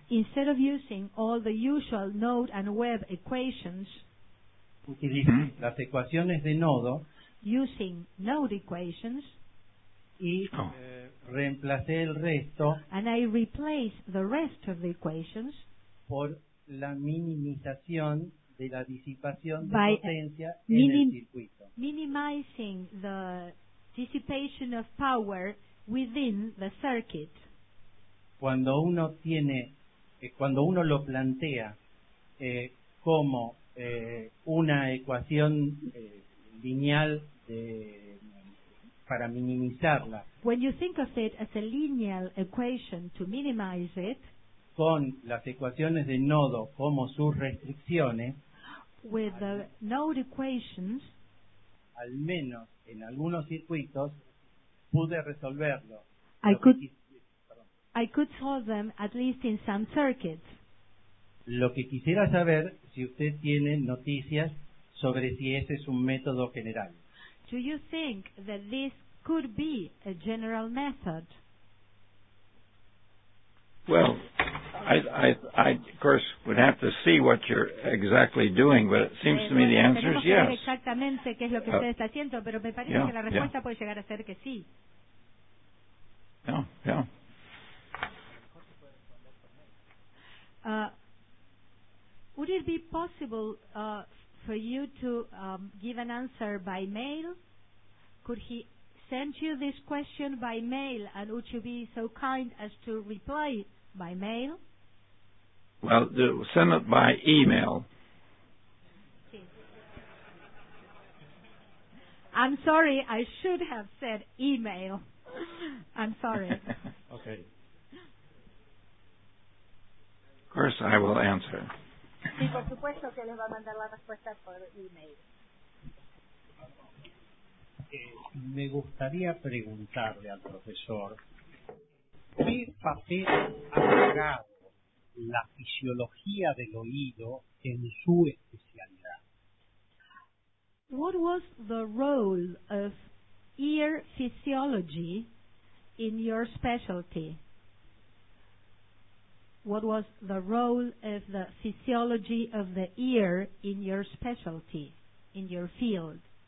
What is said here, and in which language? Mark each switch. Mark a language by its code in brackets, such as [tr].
[en] instead of using all the usual node and web equations, [es] utilizo las ecuaciones de nodo, [en] using node equations, [es] y reemplacé el resto, [en] and I replace the rest of the equations, [es] por la minimización de la disipación de potencia en el circuito. [en] Minimizing the dissipation of power within the circuit. [es] Cuando uno lo plantea como una ecuación lineal de, para minimizarla. [en] When you think of it as a linear equation to minimize it, [es] con las ecuaciones de nodo como sus restricciones, [en] with the node equations, [es] al menos en algunos circuitos pude resolverlo. [en] I could solve them at least in some circuits. [es] Lo que quisiera saber si usted tiene noticias sobre si ese es un método general. [en] Do you think that this could be a general method? Well, I of course would have to see what you're exactly doing, but it seems to me the answer is yes. [es] Exactamente qué es lo que usted está haciendo, pero me parece que la respuesta puede llegar a ser que sí. [en] Yeah. Would it be possible for you to give an answer by mail? Could he send you this question by mail, and would you be so kind as to reply by mail? Well, send it by email. I'm sorry, I should have said email. I'm sorry. Okay. Of course I will answer. [es] Sí, por supuesto que les va a mandar la respuesta por email. Me gustaría preguntarle al profesor, ¿qué papel ha jugado la fisiología del oído en su especialidad? [en] What was the role of ear physiology in your specialty? What was the role of the physiology of the ear in your specialty, in your field?